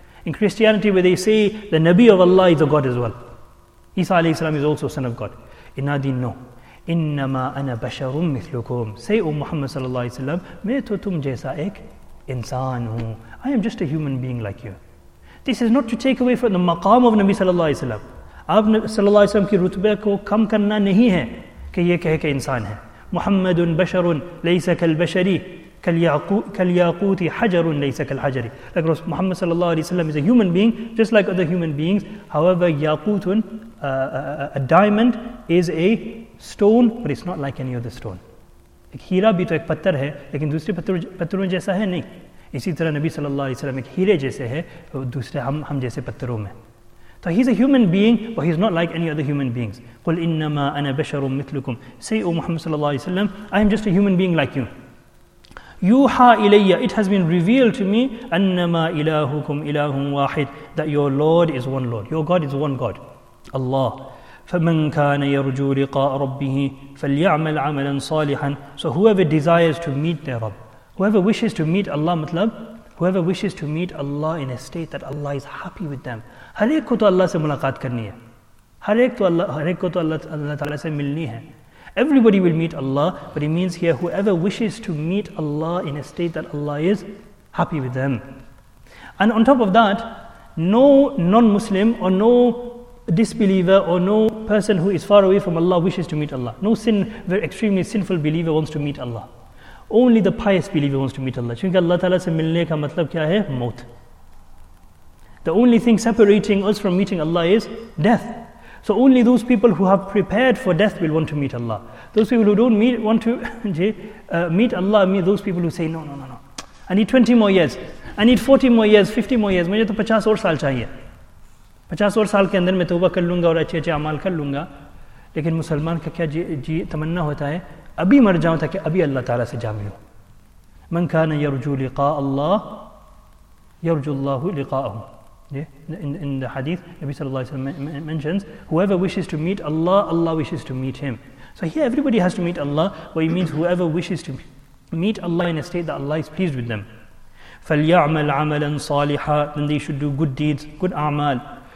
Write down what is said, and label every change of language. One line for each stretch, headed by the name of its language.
English: In Christianity, where they say the Nabi of Allah is a God as well, Isa alayhi salam is also son of God. In our deen, no.
Arabic: Innama ana basharum mithlukum.
English: Say, O Muhammad sallallahu alayhi wa sallam,
Urdu: me to tum jaisa ek insan hu.
English: I am just a human being like you. This is not to take away from the maqam of Nabi sallallahu alayhi wa sallam.
Urdu: آپ نے صلی اللہ علیہ وسلم کی رتبہ کو کم کرنا نہیں ہے کہ یہ کہے کہ انسان ہے.
Arabic: محمد بشر لیس کالبشری کالیاقوت حجر لیس کالحجر.
English: لیکن محمد صلی اللہ علیہ وسلم is a human being just like other human beings. However, یاقوت, a diamond is a stone, but it's not like any other stone.
Urdu: ایک ہیرا بھی تو ایک پتھر ہے لیکن دوسرے پتھروں جیسا ہے نہیں. اسی طرح نبی صلی اللہ علیہ وسلم ایک ہیرے جیسے ہے دوسرے ہم جیسے پتھروں میں.
English: So he's a human being, but he's not like any other human beings.
Arabic: قُلْ إِنَّمَا أَنَا بَشَرٌ مِثْلُكُمْ.
English: Say, O Muhammad sallallahu alayhi wa sallam, I am just a human being like you.
Arabic: يُوحَى إِلَيَّ.
English: It has been revealed to me,
Arabic: أَنَّمَا إِلَهُكُمْ إِلَهٌ وَاحِدٌ.
English: That your Lord is one Lord. Your God is one God. Allah.
Arabic: فَمَنْ كَانَ يَرْجُو لِقَاءَ رَبِّهِ فَلْيَعْمَلْ عَمَلًا صَالِحًا.
English: So whoever desires to meet their Rabb, whoever wishes to meet Allah, matlab, whoever wishes to meet Allah in a state that Allah is happy with them.
Urdu: ہر ایک کو تو اللہ سے ملاقات کرنی ہے, ہر ایک کو تو اللہ تعالیٰ سے ملنی ہے.
English: Everybody will meet Allah, but he means here, whoever wishes to meet Allah in a state that Allah is happy with them. And on top of that, no non-Muslim or no disbeliever or no person who is far away from Allah wishes to meet Allah. No sin, very extremely sinful believer wants to meet Allah. Only the pious believer wants to meet Allah.
Urdu: چونکہ اللہ تعالیٰ سے ملنے کا مطلب کیا ہے؟ موت.
English: The only thing separating us from meeting Allah is death. So only those people who have prepared for death will want to meet Allah. Those people who don't meet Allah, meet those people who say, no. I need 20 more years. I need 40 more years, 50 more years.
Urdu: مجھے تو 50 اور سال چاہیے. 50 اور سال کے اندر میں توبہ کر لوں گا اور اچھے اچھے اعمال کر لوں گا. لیکن مسلمان کا کیا جی تمنا ہوتا ہے؟ ابھی مر جاؤں تاکہ ابھی اللہ تعالیٰ سے جا ملوں.
Arabic: من کان یرجو لقاء اللہ یرجو اللہ لقاءہ.
English: In the hadith, Nabi sallallahu alayhi wa sallam mentions, whoever wishes to meet Allah, Allah wishes to meet him. So here everybody has to meet Allah, but it means whoever wishes to meet Allah in a state that Allah is pleased with them.
Arabic: فَلْيَعْمَلْ عَمَلًا صَالِحًا.
English: Then they should do good deeds, good a'mal.